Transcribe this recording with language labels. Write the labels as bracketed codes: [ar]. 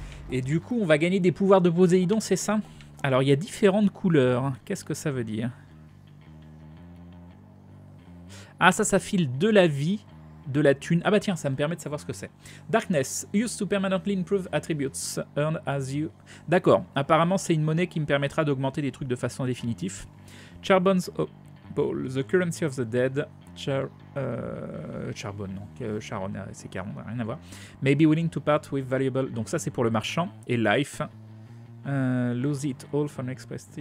[fr] Et du coup, on va gagner des pouvoirs de Poséidon, c'est ça? Alors, il y a différentes couleurs. Qu'est-ce que ça veut dire? Ah, ça file de la vie, de la thune. Ah bah tiens, ça me permet de savoir ce que c'est. [en] Darkness. Use to permanently improve attributes earned as you... [fr] D'accord. Apparemment, c'est une monnaie qui me permettra d'augmenter des trucs de façon définitive. [en] Charbon's Opal. The currency of the dead. [fr] Charbon, non. Charon, c'est Charon, rien à voir. [en] Maybe willing to part with valuable... [fr] Donc ça, c'est pour le marchand. Et life. [en] Lose it all for an express...